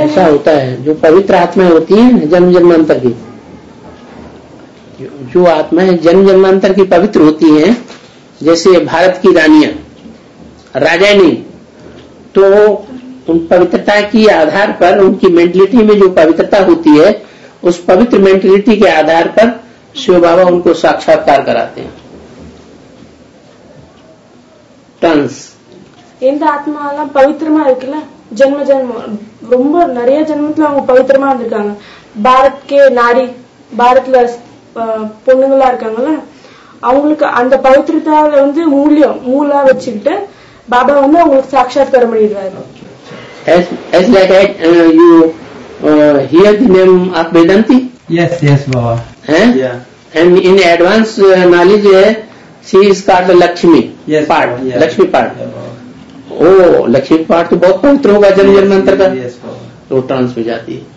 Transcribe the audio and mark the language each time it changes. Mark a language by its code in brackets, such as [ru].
[hi] ऐसा होता है जो पवित्र आत्माएं होती है जन्म जन्मांतर की, जो आत्माएं जन्म जन्मांतर की पवित्र होती हैं, जैसे भारत की रानियां राजानी, तो उन पवित्रता की आधार पर उनकी मेंटलिटी में जो पवित्रता होती है, उस पवित्र मेंटलिटी के आधार पर शिव बाबा उनको साक्षात्कार कराते हैं. [ta] எந்த ஆத்மா எல்லாம் பவித்திரமா இருக்குல்ல, ஜென்ம ஜென்மம் ரொம்ப நிறைய ஜென்மத்துல அவங்க பவித்திரமா இருந்திருக்காங்க. [hi] பாரத்கே நாரி, [ta] பாரத்ல பொண்ணுங்களா இருக்காங்கல்ல, அவங்களுக்கு அந்த பவித்திரத்தால வந்து மூலியம் மூலா வச்சுக்கிட்டு பாபா வந்து அவங்களுக்கு சாட்சாத்காரம் பண்ணிடுறாரு. [hi] लक्ष्मी पार्ट, ओ लक्ष्मी पार्ट तो बहुत पवित्र होगा जन्म जन्मांतर का, तो ट्रांस में जाती